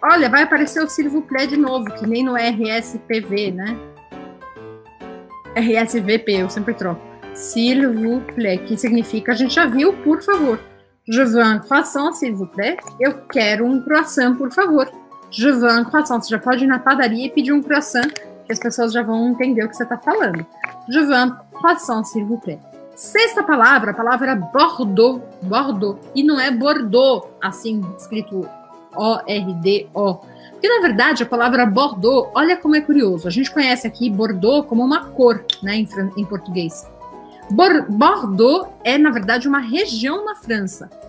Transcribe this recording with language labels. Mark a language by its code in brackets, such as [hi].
[pt] Olha, vai aparecer o s'il vous plaît de novo, que nem no RSPV, né? RSVP, eu sempre troco. S'il vous plaît, que significa, a gente já viu, por favor. [fr] Je veux un croissant, s'il vous plaît. [pt] Eu quero um croissant, por favor. [fr] Je veux un croissant. [pt] Você já pode ir na padaria e pedir um croissant, que as pessoas já vão entender o que você está falando. [fr] Je veux un croissant, s'il vous plaît. [pt] Sexta palavra, a palavra Bordeaux. Bordeaux. E não é Bordeaux, assim, escrito O-R-D-O. Porque, na verdade, a palavra Bordeaux, olha como é curioso. A gente conhece aqui Bordeaux como uma cor, né, em português. Bordeaux é, na verdade, uma região na França.